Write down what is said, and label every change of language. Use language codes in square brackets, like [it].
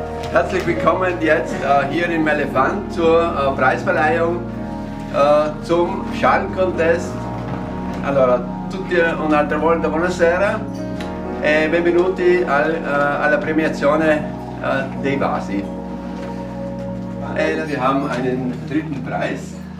[de] Herzlich willkommen jetzt hier in Mellefant zur Preisverleihung zum Charm Contest. [it] Allora, tutti un'altra volta buonasera e benvenuti alla premiazione dei vasi. [de] Wir haben einen dritten Preis.